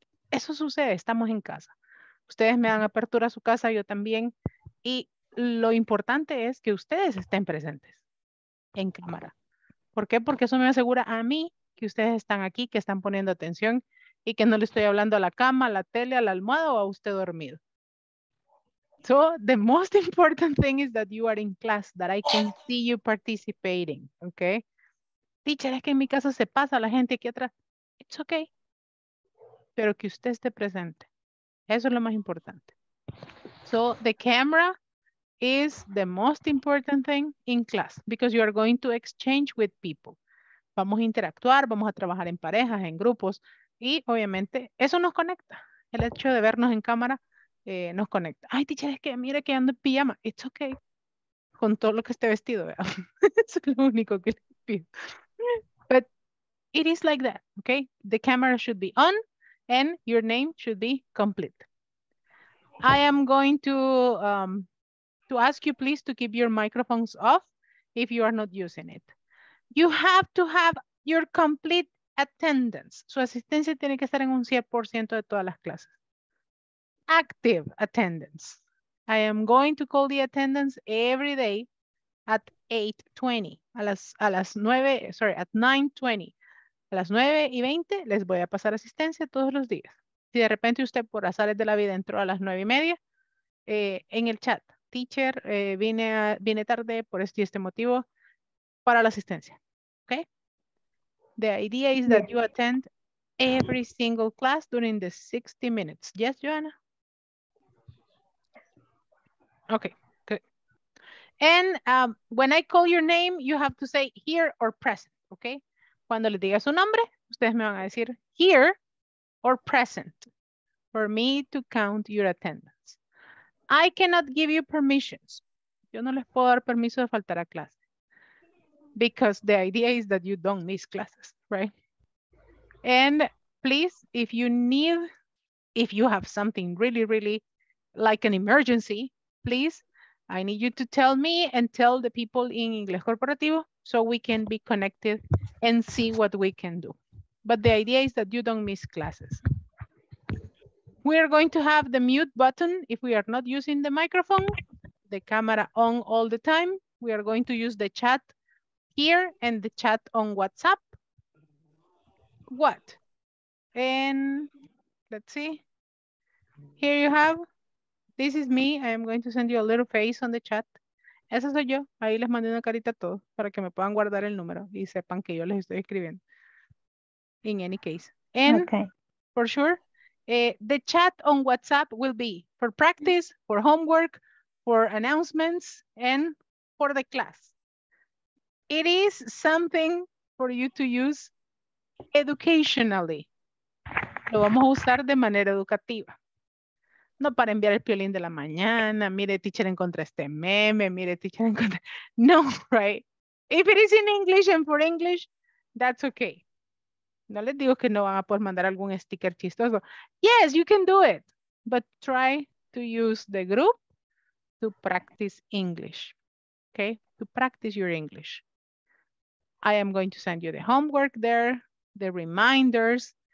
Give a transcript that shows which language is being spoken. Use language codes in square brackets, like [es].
[es] Eso sucede, estamos en casa. Ustedes me dan apertura a su casa, yo también. Y lo importante es que ustedes estén presentes en cámara. ¿Por qué? Porque eso me asegura a mí que ustedes están aquí, que están poniendo atención y que no le estoy hablando a la cama, a la tele, a la almohada o a usted dormido. [en] So, the most important thing is that you are in class, that I can see you participating, okay? [es] Teacher, es que en mi casa se pasa la gente aquí atrás. [en] It's okay. [es] Pero que usted esté presente. Eso es lo más importante. [en] So, the camera is the most important thing in class because you are going to exchange with people. [es] Vamos a interactuar, vamos a trabajar en parejas, en grupos, y obviamente eso nos conecta. El hecho de vernos en cámara nos conecta. Ay, teacher, es que mira que ando en pijama. [en] It's okay. [es] Con todo lo que esté vestido, ¿verdad? Eso es lo único que le pido. [en] But it is like that, okay? The camera should be on and your name should be complete. I am going to ask you please to keep your microphones off if you are not using it. You have to have your complete attendance. [es] Su asistencia tiene que estar en un 100% de todas las clases. [en] Active attendance. I am going to call the attendance every day at 8:20. At 9:20. [es] A las 9:20 les voy a pasar asistencia todos los días. Si de repente usted por azares de la vida entró a las 9:30, en el chat. Teacher, vine tarde por este motivo para la asistencia. Okay? [en] The idea is that you attend every single class during the 60 minutes. Yes, Joanna? Okay, good. And when I call your name, you have to say here or present, okay? [es] Cuando le diga su nombre, ustedes me van a decir [en] here or present for me to count your attendance. I cannot give you permissions. [es] Yo no les puedo dar permiso de faltar a clase. [en] Because the idea is that you don't miss classes, right? And please, if you need, if you have something really, really like an emergency, please, I need you to tell me and tell the people in Inglés Corporativo so we can be connected and see what we can do. But the idea is that you don't miss classes. We are going to have the mute button if we are not using the microphone, the camera on all the time. We are going to use the chat here and the chat on WhatsApp. What? And let's see. Here you have. This is me. I am going to send you a little face on the chat. [es] Esa soy yo. Ahí les mandé una carita a todos para que me puedan guardar el número y sepan que yo les estoy escribiendo. [en] In any case. And okay. For sure, the chat on WhatsApp will be for practice, for homework, for announcements, and for the class. It is something for you to use educationally. [es] Lo vamos a usar de manera educativa. No para enviar el piolín de la mañana, mire, teacher, encontré este meme, mire, teacher, encontré... [en] No, right? If it is in English and for English, that's okay. [es] No les digo que no van a poder mandar algún sticker chistoso. [en] Yes, you can do it, but try to use the group to practice English, okay? To practice your English. I am going to send you the homework there, the reminders.